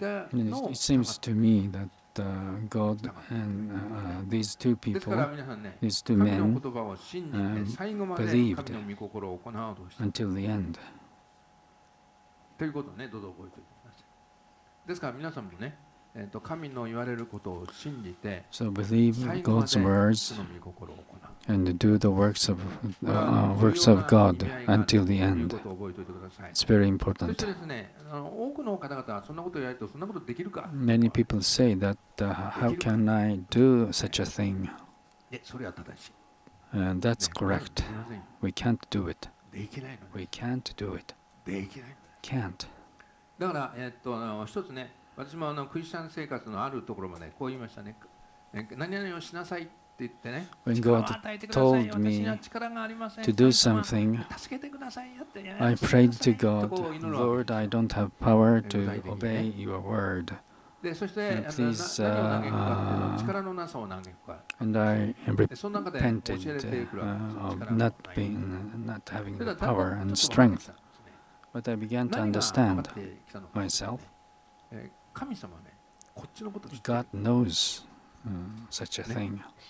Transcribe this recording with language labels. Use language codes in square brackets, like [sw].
[en] And it seems to me that God and these two people, these two men, believed until the end. [ja] ということね、どうぞ覚えておいてください。ですから皆さんもね、神の言われることを信じて、 [en] So believe God's words and do the works of works of God until the end. It's very important. Many people say that how can I do such a thing? And that's correct. We can't do it. We can't do it. Can't. [ja] だから一つね、私もクリスチャン生活のあるところまでこう言いましたね。何々をしなさいって言ってね。 [en] When God told me to do something, I prayed to God, Lord, I don't have power to obey your word. [ja] でそして [en] Please, [ja] 何を嘆くか、力のなさを嘆くか。 [en] And I repented of not having the power and strength. But I began to understand myself. God knows such a thing.